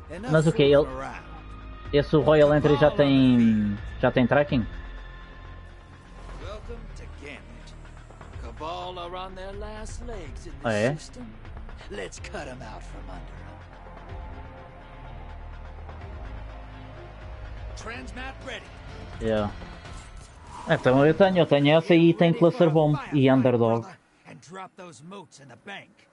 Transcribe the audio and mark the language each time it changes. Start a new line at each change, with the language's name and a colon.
Portuguese: Mas o que é? Esse Royal Entry já tem tracking?
English: Welcome to Gamut. Cabal are on their last legs in the system. Let's cut them out from under them. Transmat ready. Yeah.
Portuguese: Então eu tenho essa e tem cluster bomb e underdog.
English: And drop those motes in the bank.